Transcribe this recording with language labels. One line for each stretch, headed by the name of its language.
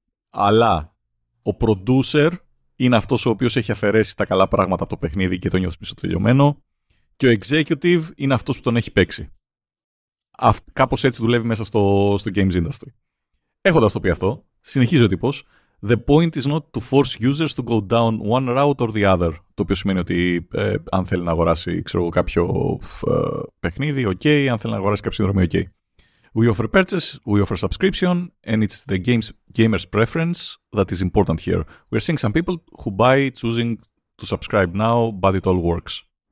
Greek: Αλλά ο producer είναι αυτός ο οποίος έχει αφαιρέσει τα καλά πράγματα από το παιχνίδι και το νιώθει μισοτελειωμένο. Και ο executive είναι αυτός που τον έχει παίξει. Κάπως έτσι δουλεύει μέσα στο games industry. Έχοντας το πει αυτό, συνεχίζει ο τύπος.
English: The point is not to force users to go down one route or the other.
Greek: Το οποίο σημαίνει ότι αν θέλει να αγοράσει, ξέρω, κάποιο παιχνίδι, ok. Αν θέλει να αγοράσει κάποια συνδρομή, ok.
English: We offer purchase, we offer subscription, and it's the gamer's preference that is important here. We are seeing some people who buy choosing to subscribe now, but it all works.